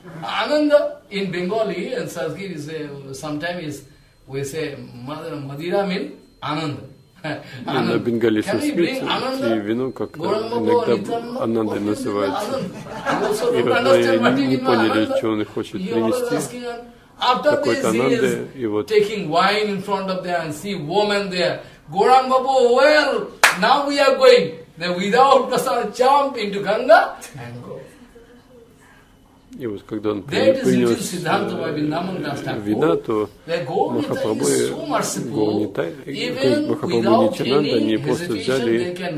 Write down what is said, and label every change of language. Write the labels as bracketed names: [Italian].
[English] Ananda in Bengali and Sanskrit is sometimes we say Madhira, Madhira means Ananda. Ananda in Bengali is spirit. Ananda, Ananda is [Russian] называется. И вот мы не поняли, что он хочет принести. [English] After this, he is taking wine in front of them and see woman there. Gauranga Babu, well, now we are going. Then without prasad, jump into Ganga and go. [Russian] И вот когда он принес вина, то Махапрабху Нитянанда, они просто взяли